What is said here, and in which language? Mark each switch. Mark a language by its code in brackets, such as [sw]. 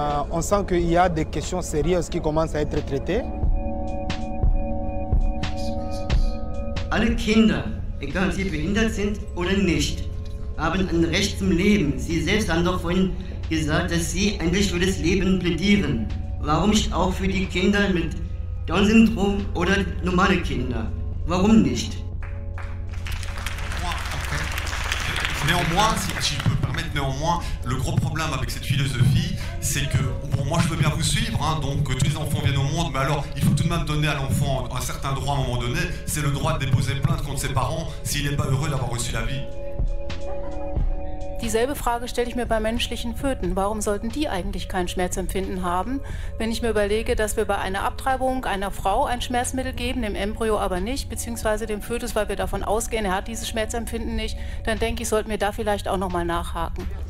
[fr] On sent qu'il y a des questions sérieuses qui commencent à être traitées. [de] Alle Kinder, egal ob sie behindert sind oder nicht, haben ein Recht zum Leben. Sie selbst haben doch vorhin gesagt, dass sie eigentlich für das Leben plädieren. Warum nicht auch für die Kinder mit Down-Syndrom oder normale Kinder? Warum nicht? [fr] Néanmoins, si je peux me permettre, néanmoins, le gros problème avec cette philosophie, c'est que, bon, moi je veux bien vous suivre, hein, donc que tous les enfants viennent au monde, mais alors il faut tout de même donner à l'enfant un certain droit à un moment donné, c'est le droit de déposer plainte contre ses parents s'il n'est pas heureux d'avoir reçu la vie. [de] Dieselbe Frage stelle ich mir bei menschlichen Föten. Warum sollten die eigentlich kein Schmerzempfinden haben, wenn ich mir überlege, dass wir bei einer Abtreibung einer Frau ein Schmerzmittel geben, dem Embryo aber nicht, beziehungsweise dem Fötus, weil wir davon ausgehen, er hat dieses Schmerzempfinden nicht, dann denke ich, sollten wir da vielleicht auch nochmal nachhaken.